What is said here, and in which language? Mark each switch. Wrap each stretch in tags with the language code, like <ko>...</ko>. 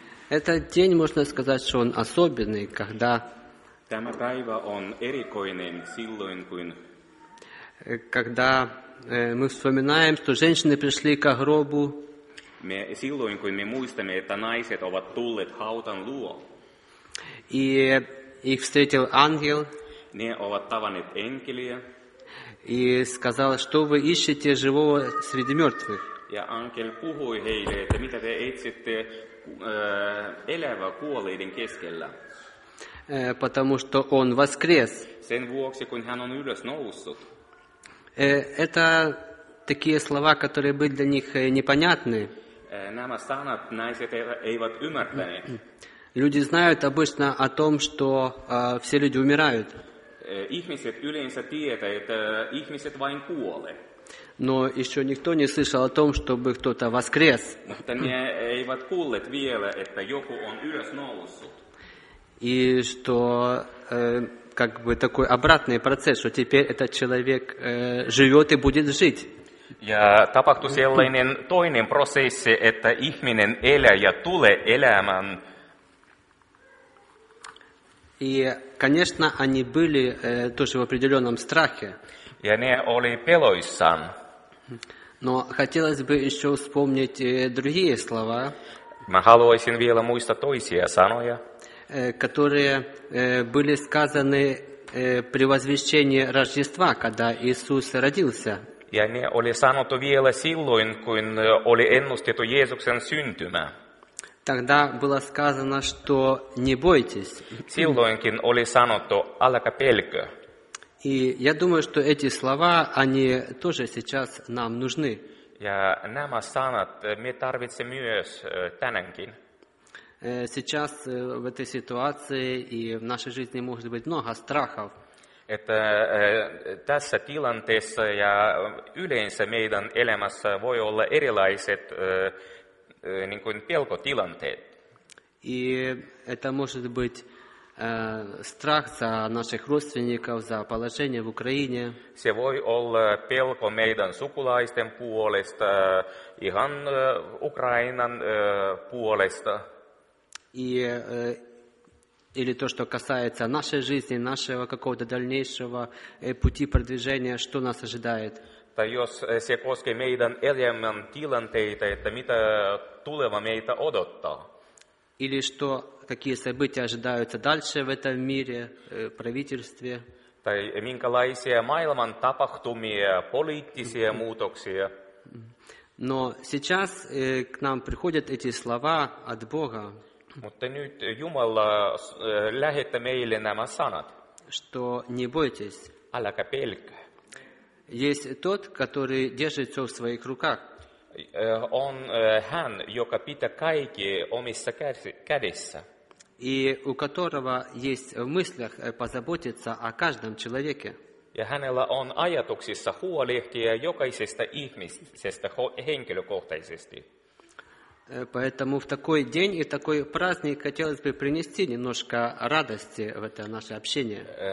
<ru>Этот день, можно сказать, что он особенный, когда...</ru> <fi>Tämä päivä on erikoinen silloin, kun...</fi> <ru>Когда мы вспоминаем, что женщины пришли ко гробу.</ru> <fi>Me, silloin, kun me muistamme, että naiset ovat tulleet hautan luo.</fi> <ru>И их встретил ангел.</ru> <fi>Ne ovat tavanneet enkeliä.</fi> <ru>И сказал, что вы ищете живого среди мертвых.</ru> <fi>Ja ангел puhui heille, että mitä te etsitte elävä kuolleiden keskellä.</fi> <ru>Потому что он воскрес.</ru> <fi>Sen vuoksi, kun hän on ylös noussut.</fi> <ru>Это такие слова, которые были для них непонятны.</ru> <fi>Nämä sanat naiset eivät ymmärtäneet.</fi> <ru>Люди знают обычно о том, что все люди умирают.</ru> <fi>Ihmiset yleensä tietävät, että ihmiset vain kuole.</fi> <ru>Но еще никто не слышал о том, чтобы кто-то воскрес.</ru> <fi>Mutta ne eivät kuulleet vielä, että joku on ylös noussut.</fi> <ru>И что как бы такой обратный процесс, что теперь этот человек живет и будет жить.</ru> <fi>Ja tapahtui sellainen toinen prosessi, että ihminen elää ja tulee elämään.</fi> <ru>И, конечно, они были тоже в определенном страхе.</ru> <fi>Ja ne oli peloissaan.</fi> <ru>Но хотелось бы еще вспомнить другие слова.</ru> <fi>Mä haluaisin vielä muistaa toisia sanoja.</fi> <ru>Которые были сказаны при возвещении Рождества, когда Иисус родился.</ru> <fi>Ja ne oli sanottu vielä silloin, kun oli ennustettu Jeesuksen syntymä.</fi> <ru>Тогда было сказано, что не бойтесь.</ru> <fi>Silloinkin oli sanottu, älkä pelkö.</fi> <ru>И я думаю, что эти слова, они тоже сейчас нам нужны.</ru> <fi>Ja nämä sanat me tarvitsemme myös tänäänkin.</fi> <ru>Сейчас в этой ситуации и в нашей жизни может быть много страхов. Это</ru> <fi>tässä tilanteessa ja yleensä meidän elämässä voi olla erilaiset niin kuin pelkotilanteet.</fi> <ru>И это может быть страх за наших родственников, за положение в Украине.</ru> <fi>Se voi olla pelko meidän sukulaisten puolesta, ihan Ukrainan puolesta.</fi> <ru>И или то, что касается нашей жизни, нашего какого-то дальнейшего пути продвижения, что нас ожидает.</ru> <fi>Tai jos se koskee meidän elämän tilanteita, että mitä tuleva meitä odottaa.</fi> <ru>Или что, какие события ожидаются дальше в этом мире, правительстве.</ru> <fi>Tai minkälaisia maailman tapahtumia, poliittisia muutoksia.</fi> <ru>Но сейчас к нам приходят эти слова от Бога.</ru> <fi>Mutta nyt Jumala lähettää meille nämä sanat.</fi> <ru>Что не бойтесь.</ru> <fi>Äläkä pelkää.</fi> <ru>Есть тот, который держит все в своих руках.</ru> <fi>On hän, joka pitää kaikki omissa kädessä.</fi> <ru>И у которого есть в мыслях позаботиться о каждом человеке.</ru> <fi>Ja hänellä on ajatuksissa huolehtia jokaisesta ihmisestä henkilökohtaisesti.</fi> <ru>Поэтому в такой день и такой праздник хотелось бы принести немножко радости в это наше общение.</ru>